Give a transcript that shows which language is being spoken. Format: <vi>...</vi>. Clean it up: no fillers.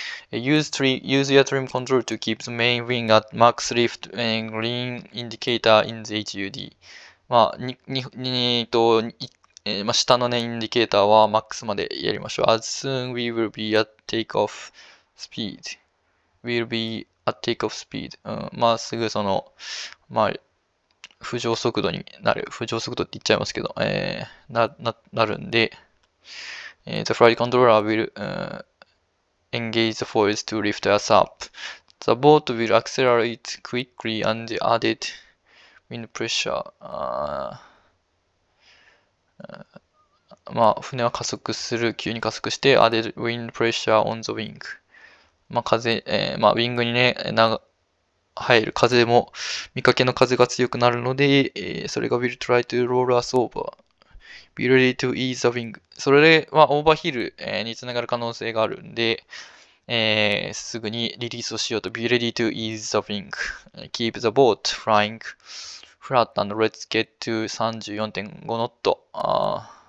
<en>Use your trim control to keep the main wing at max lift and lean indicator in the HUD。</en> <ja>まあ、下のね、インディケーターはマックスまでやりましょう。</ja> <en>As soon we will be at takeoff speed。 We'll be at takeoff speed。</en> <ja>うん、まあ、すぐその、まあ、浮上速度になる。浮上速度って言っちゃいますけど、なるんで、</ja> <en>The flight controller will、engage the foils to lift us up. The boat will accelerate quickly and the added wind pressure.、</en> <ja>まあ、船は加速する。急に加速して、</ja> <en>added wind pressure on the wing。</en> <ja>まあ、風、まあ、ウィングにね、入る風も、見かけの風が強くなるので、それが</ja> <en>will try to roll us over. Be ready to ease the wing.</en> <ja>それで、まあ、オーバーヒールにつながる可能性があるんで、すぐにリリースをしようと。</ja> <en>Be ready to ease the wing. Keep the boat flying flat and let's get to 34.5 knot.</en>